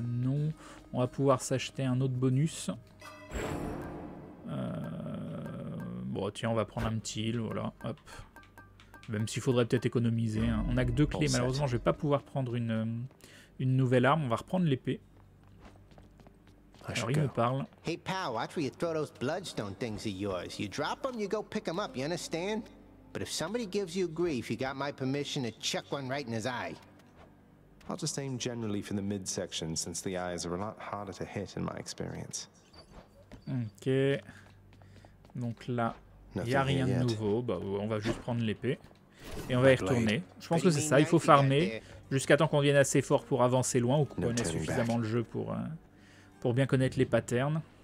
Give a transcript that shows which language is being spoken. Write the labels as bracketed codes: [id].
[fr] Non. On va pouvoir s'acheter un autre bonus. Bon, tiens, on va prendre un petit heal, voilà. Hop. Même s'il faudrait peut-être économiser. Hein. On a que deux clés, malheureusement, je vais pas pouvoir prendre une nouvelle arme. On va reprendre l'épée. Alors, il me parle. [en] Hey, pal, watch where you throw those bloodstone things of yours. You drop them, you go pick them up, you understand? But if somebody gives you grief, you got my permission to chuck one right in his eye. I'll just aim generally for the midsection, since the eyes are a lot harder to hit in my experience. [fr] Ok. Donc là, il n'y a rien de nouveau. Bah, on va juste prendre l'épée. Et on va y retourner. Je pense que c'est ça, il faut farmer. Jusqu'à temps qu'on vienne assez fort pour avancer loin, ou qu'on connaisse suffisamment le jeu pour bien connaître les patterns.